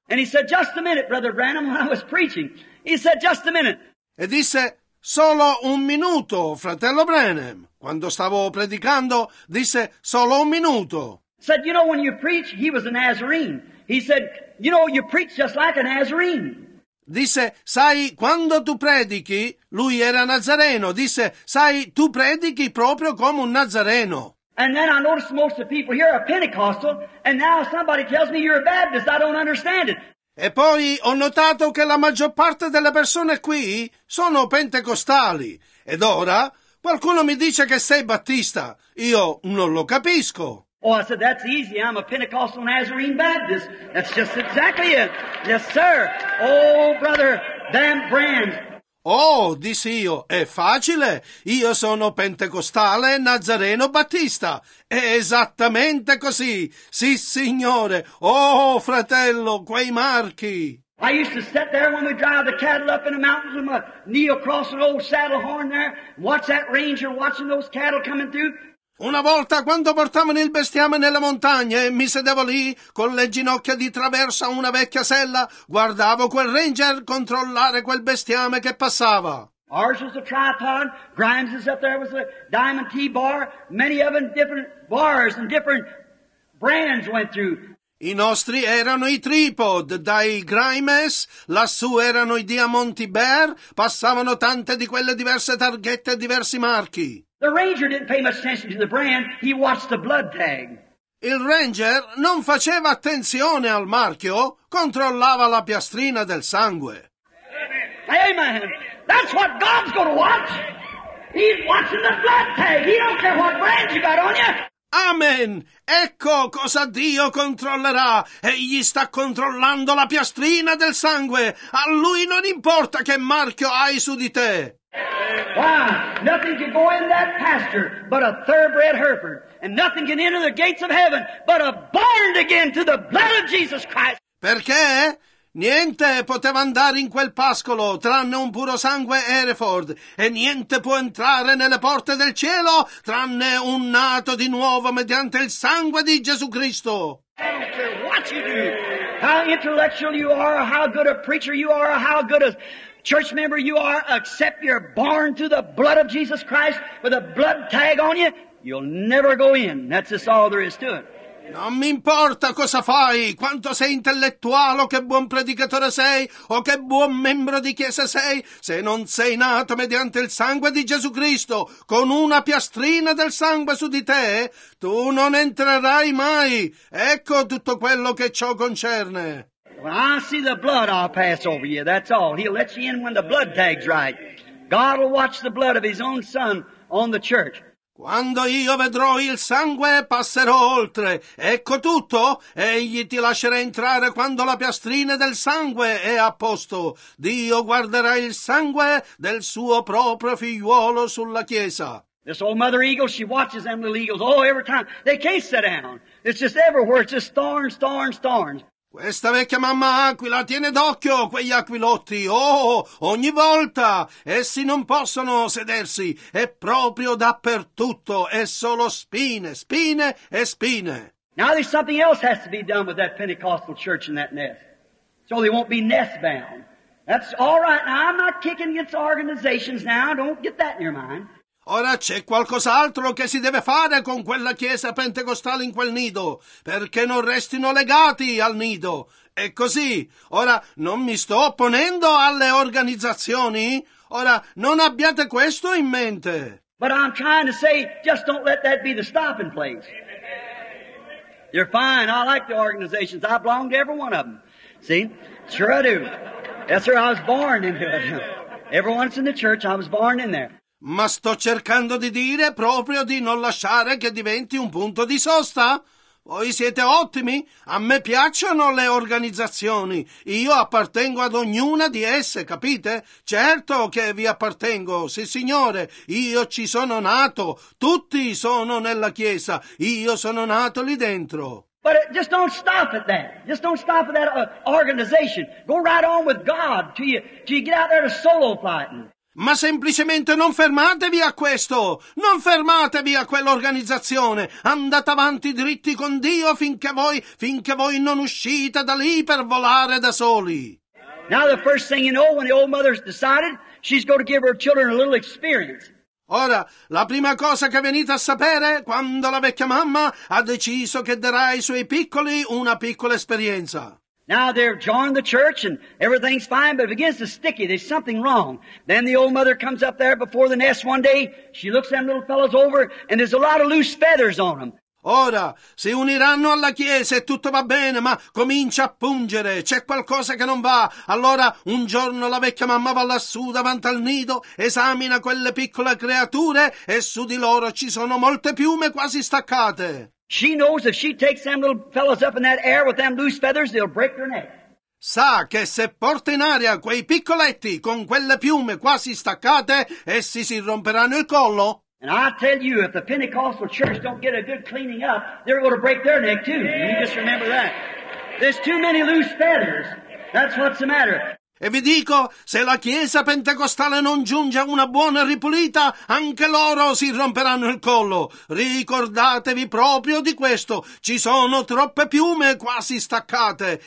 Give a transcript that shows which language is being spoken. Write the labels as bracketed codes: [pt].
[en] And he said, just a minute, Brother Branham, while I was preaching. He said, just a minute. [it] E disse, solo un minuto, fratello Branham. Quando stavo predicando, disse, solo un minuto. [en] Said, you know, when you preach, he was a Nazarene. He said, you know, you preach just like a Nazarene. [it] Disse, sai, quando tu predichi, lui era Nazareno. Disse, sai, tu predichi proprio come un Nazareno. [en] And then I noticed most of the people here are Pentecostal, and now somebody tells me you're a Baptist. I don't understand it. [it] E poi ho notato che la maggior parte delle persone qui sono pentecostali. Ed ora qualcuno mi dice che sei battista. Io non lo capisco. [en] Oh, I said, that's easy. I'm a Pentecostal Nazarene Baptist. That's just exactly it. Yes, sir. Oh, Brother Dan Brand. [it] Oh, dissi io, è facile. Io sono pentecostale Nazareno Battista. È esattamente così. Sì, signore. Oh, fratello, quei marchi. [en] I used to sit there when we drive the cattle up in the mountains with my knee across an old saddle horn there, watch that ranger watching those cattle coming through. [it] Una volta, quando portavano il bestiame nella montagna e mi sedevo lì, con le ginocchia di traverso a una vecchia sella, guardavo quel ranger controllare quel bestiame che passava. [en] Ours was a tripod, Grimes is up there with a diamond T bar, many of them different bars and different brands went through. [it] I nostri erano i tripod, dai Grimes, lassù erano i diamanti Bear, passavano tante di quelle diverse targhette e diversi marchi. [en] The ranger didn't pay much attention to the brand, he watched the blood tag. [it] Il ranger non faceva attenzione al marchio, controllava la piastrina del sangue. [en] Amen. That's what God's going to watch. He's watching the blood tag. He don't care what brand you got on you. Amen. [it] Ecco cosa Dio controllerà. Egli sta controllando la piastrina del sangue. A lui non importa che marchio hai su di te. [en] Why, nothing can go in that pasture but a thoroughbred Hereford, and nothing can enter the gates of heaven but a born again to the blood of Jesus Christ. [it] Perché? Niente poteva andare in quel pascolo tranne un puro sangue Hereford, e niente può entrare nelle porte del cielo tranne un nato di nuovo mediante il sangue di Gesù Cristo. [en] What you do, how intellectual you are, how good a preacher you are, how good a church member you are, except you're born through the blood of Jesus Christ with a blood tag on you, you'll never go in. That's just all there is to it. [it] Non mi importa cosa fai, quanto sei intellettuale, o che buon predicatore sei, o che buon membro di chiesa sei, se non sei nato mediante il sangue di Gesù Cristo, con una piastrina del sangue su di te, tu non entrerai mai. Ecco tutto quello che ciò concerne. [en] When I see the blood, I'll pass over you, that's all. He'll let you in when the blood tag's right. God will watch the blood of his own son on the church. [it] Quando io vedrò il sangue, passerò oltre. Ecco tutto. Egli ti lascerà entrare quando la piastrina del sangue è a posto. Dio guarderà il sangue del suo proprio figliuolo sulla chiesa. [en] This old mother eagle, she watches them little eagles. Oh, every time. They can't sit down. It's just everywhere. It's just thorns, thorns, thorns. [it] Questa vecchia mamma aquila tiene d'occhio quegli aquilotti. Oh, ogni volta essi non possono sedersi. È proprio dappertutto. È solo spine, spine e spine. [en] Now there's something else has to be done with that Pentecostal church in that nest. So they won't be nest bound. That's all right. Now I'm not kicking against organizations now. Don't get that in your mind. [it] Ora c'è qualcos'altro che si deve fare con quella chiesa pentecostale in quel nido, perché non restino legati al nido. È così. Ora non mi sto opponendo alle organizzazioni. Ora non abbiate questo in mente. [en] But I'm trying to say, just don't let that be the stopping place. You're fine. I like the organizations. I belong to every one of them. See? Sure I do. Yes, sir. I was born in there. Everyone's in the church. I was born in there. [it] Ma sto cercando di dire proprio di non lasciare che diventi un punto di sosta. Voi siete ottimi. A me piacciono le organizzazioni. Io appartengo ad ognuna di esse, capite? Certo che vi appartengo, sì signore. Io ci sono nato. Tutti sono nella chiesa. Io sono nato lì dentro. [en] But just don't stop at that. Just don't stop at that organization. Go right on with God till you get out there to solo fighting. [it] Ma semplicemente non fermatevi a questo! Non fermatevi a quell'organizzazione! Andate avanti dritti con Dio finché voi non uscite da lì per volare da soli! [en] Now the first thing you know, when the old mother's decided, she's going to give her children a little experience. [it] Ora, la prima cosa che venite a sapere, quando la vecchia mamma ha deciso che darà ai suoi piccoli una piccola esperienza. [en] Now they've joined the church and everything's fine, but if it gets to sticky, there's something wrong. Then the old mother comes up there before the nest one day, she looks them little fellows over, and there's a lot of loose feathers on them. [it] Ora, si uniranno alla chiesa e tutto va bene, ma comincia a pungere, c'è qualcosa che non va. Allora, un giorno la vecchia mamma va lassù davanti al nido, esamina quelle piccole creature e su di loro ci sono molte piume quasi staccate. [en] She knows if she takes them little fellows up in that air with them loose feathers, they'll break their neck. [it] Sa che se porta in aria quei piccoletti con quelle piume quasi staccate, essi si romperanno il collo. [en] And I tell you, if the Pentecostal church don't get a good cleaning up, they're going to break their neck too. You just remember that. There's too many loose feathers. That's what's the matter. [it] E vi dico, se la chiesa pentecostale non giunge a una buona ripulita, anche loro si romperanno il collo. Ricordatevi proprio di questo. Ci sono troppe piume quasi staccate.